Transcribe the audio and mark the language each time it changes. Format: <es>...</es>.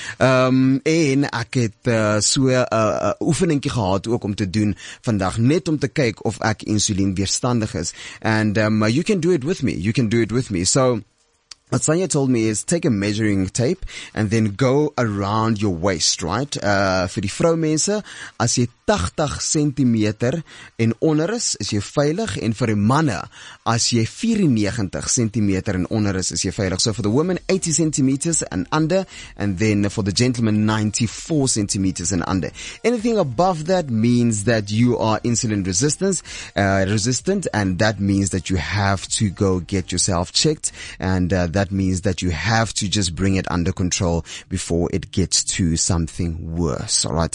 <af>En ek het so 'n oefeningkie gehad ook om te doen vandag, net om te kyk of ek insulien weerstandig is.</af> <en>And you can do it with me. You can do it with me. So what Sanya told me is take a measuring tape and then go around your waist, right?</en> <af>Vir die vrouwmense, as jy 80 centimeter en onder is jy veilig. En vir die manne, as jy 94 centimeter en onder is jy veilig.</af> <en>So for the women, 80 centimeters and under. And then for the gentleman, 94 centimeters and under. Anything above that means that you are insulin resistant. And that means that you have to go get yourself checked. And that means that you have to just bring it under control before it gets to something worse. All right.</en>